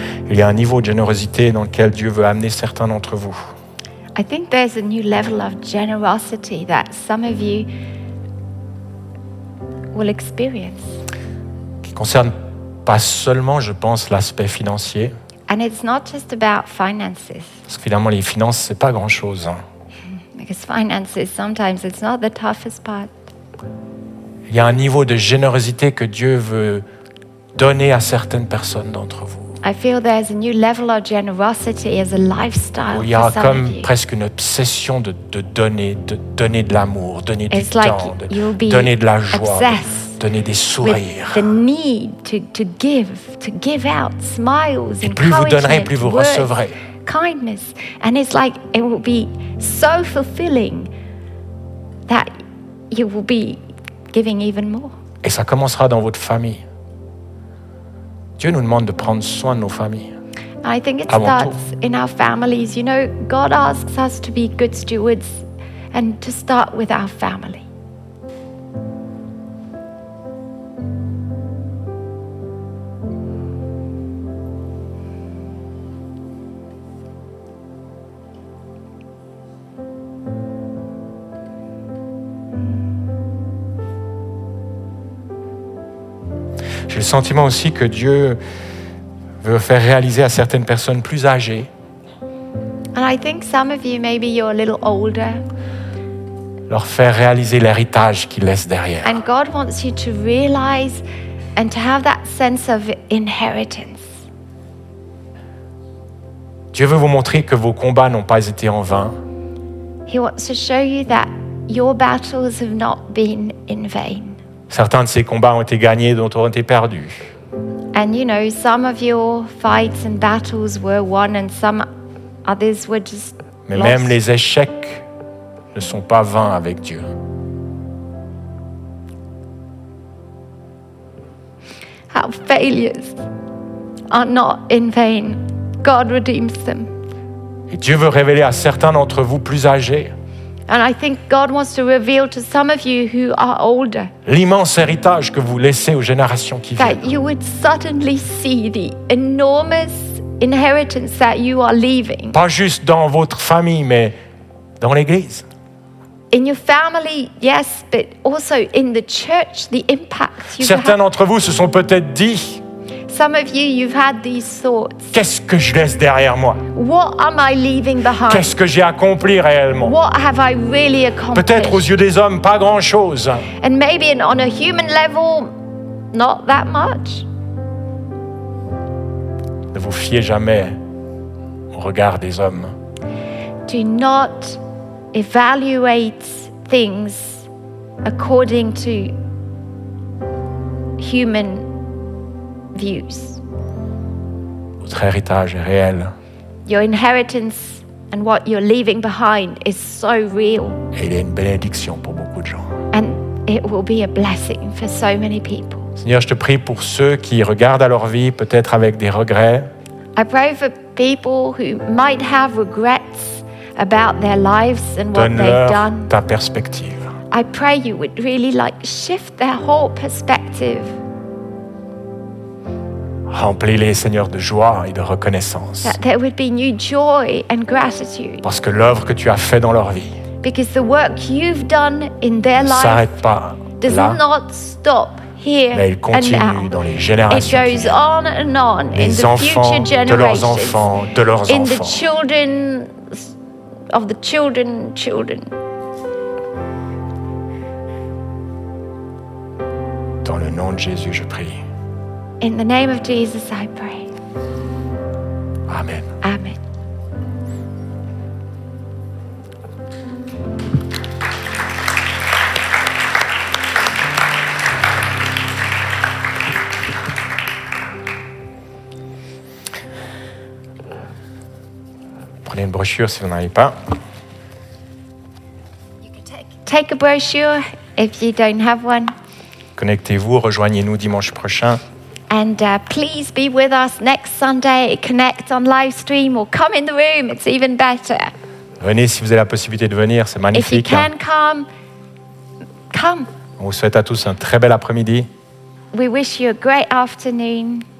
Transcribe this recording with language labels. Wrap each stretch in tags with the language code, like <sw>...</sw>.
<fr>Il y a un niveau de générosité dans lequel Dieu veut amener certains d'entre vous.</fr> <en>I think there's a new level of generosity that some of you will experience.</en> <fr>Qui concerne pas seulement, je pense, l'aspect financier.</fr> <en>And it's not just about finances.</en> <fr>Parce que finalement, les finances, c'est pas grand-chose.</fr> <en>Because finances, sometimes it's not the toughest part.</en> <fr>Il y a un niveau de générosité que Dieu veut donner à certaines personnes d'entre vous.</fr> <en>I feel there's a new level of generosity as a lifestyle.</en> <fr>Il y a comme presque une obsession de donner, de donner de l'amour, donner du temps, donner de la joie, donner des sourires.</fr> <en>The need to give out smiles.</en> <fr>Et plus vous donnerez, plus vous recevrez.</fr> <en>Kindness, and it's like it will be so fulfilling that you will be giving even more.</en> <fr>Et ça commencera dans votre famille. Dieu nous demande de prendre soin de nos familles.</fr> <en>I think it starts in our families. You know, God asks us to be good stewards and to start with our family.</en> <fr>J'ai le sentiment aussi que Dieu veut faire réaliser à certaines personnes plus âgées.</fr> <en>And I think some of you, maybe you're a little older.</en> <fr>Leur faire réaliser l'héritage qu'ils laissent derrière.</fr> <en>And God wants you to realize and to have that sense of inheritance.</en> <fr>Dieu veut vous montrer que vos combats n'ont pas été en vain.</fr> <en>He wants to show you that your battles have not been in vain.</en> <fr>Certains de ces combats ont été gagnés, d'autres ont été perdus.</fr> <en>And you know, some of your fights and battles were won and some others were just lost.</en> <fr>Mais même les échecs ne sont pas vains avec Dieu.</fr> <en>Our failures are not in vain. God redeems them.</en> <fr>Et Dieu veut révéler à certains d'entre vous plus âgés.</fr> <en>And I think God wants to reveal to some of you who are older.</en> <fr>L'immense héritage que vous laissez aux générations qui viennent.</fr> <en>That you would suddenly see the enormous inheritance that you are leaving.</en> <fr>Pas juste dans votre famille, mais dans l'église.</fr> <en>In your family, yes, but also in the church, the impact you have.</en> <fr>Certains d'entre vous se sont peut-être dit.</fr> <en>Some of you, you've had these thoughts.</en> <fr>Qu'est-ce que je laisse derrière moi?</fr> <en>What am I leaving behind?</en> <fr>Qu'est-ce que j'ai accompli réellement?</fr> <en>What have I really accomplished?</en> <fr>Peut-être aux yeux des hommes, pas grand-chose.</fr> <en>And maybe on a human level, not that much.</en> <fr>Ne vous fiez jamais au regard des hommes.</fr> <en>Do not evaluate things according to human views.</en> <fr>Votre héritage est réel.</fr> <en>Your inheritance and what you're leaving behind is so real.</en> <fr>Et il est une bénédiction pour beaucoup de gens.</fr> <en>And it will be a blessing for so many people.</en> <fr>Seigneur, je te prie pour ceux qui regardent à leur vie peut-être avec des regrets.</fr> <en>I pray for people who might have regrets about their lives and what</en> <fr>Donne-leur</fr> <en>they've done.</en> <fr>Ta perspective.</fr> <en>I pray you would really like shift their whole perspective.</en> <fr>Remplis-les, Seigneur, de joie et de reconnaissance.</fr> <en>That there would be new joy and gratitude.</en> <fr>Parce que l'œuvre que tu as fait dans leur vie.</fr> <en>Because the work you've done in their life.</en> <fr>S'arrête pas</fr> <en>does</en> <fr>là.</fr> <en>Not stop here</en> <fr>mais il continue dans les générations.</fr> <en>It goes on and on</en> <fr>les</fr> <en>in the future generations.</en> <fr>De leurs enfants, de leurs</fr> <en>in</en> <fr>enfants.</fr> <en>The children of the children, children.</en> <fr>Dans le nom de Jésus, je prie.</fr> <en>In the name of Jesus, I pray. Amen. Amen.</en> <fr>Prenez une brochure si vous n'en avez pas.</fr> <en>You can take a brochure if you don't have one.</en> <fr>Connectez-vous, rejoignez-nous dimanche prochain.</fr> <en>And please be with us next Sunday. Connect on live stream or come in the room. It's even better.</en> <fr>Venez si vous avez la possibilité de venir, c'est magnifique.</fr> <en>If you can come, come.</en> <fr>On vous souhaite à tous un très bel après-midi.</fr> <en>We wish you a great afternoon.</en>